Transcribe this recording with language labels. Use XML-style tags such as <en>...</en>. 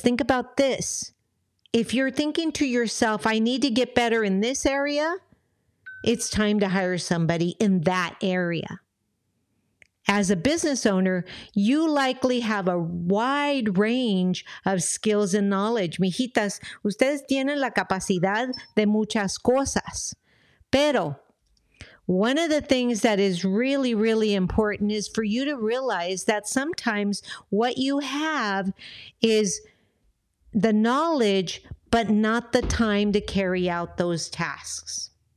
<en>Think about this. If you're thinking to yourself, I need to get better in this area, it's time to hire somebody in that area. As a business owner, you likely have a wide range of skills and knowledge.</en> <es>Mijitas, ustedes tienen la capacidad de muchas cosas. Pero</es> <en>one of the things that is really, really important is for you to realize that sometimes what you have is the knowledge, but not the time to carry out those tasks.</en>